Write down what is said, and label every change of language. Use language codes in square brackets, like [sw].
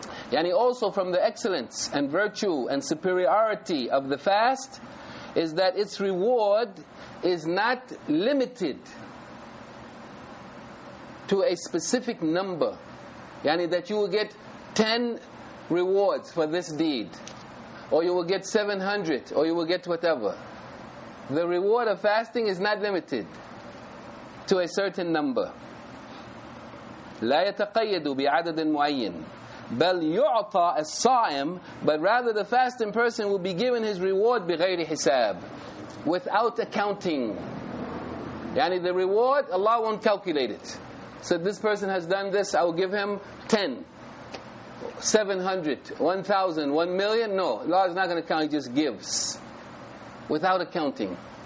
[en] Yani also from the excellence and virtue and superiority of the fast is that its reward is not limited to a specific number. Yani that you will get 10 rewards for this deed, or you will get 700, or you will get whatever. The reward of fasting is not limited to a certain number. [ar] لا يتقيد بعدد معين بل يعطى الصائم. [en] But rather the fasting person will be given his reward [ar] بغير حساب, [en] without accounting. Yani the reward, Allah won't calculate it. So this person has done this, I will give him 10. 700, 1,000, 1 million? No, Allah is not going to count, He just gives. Without accounting.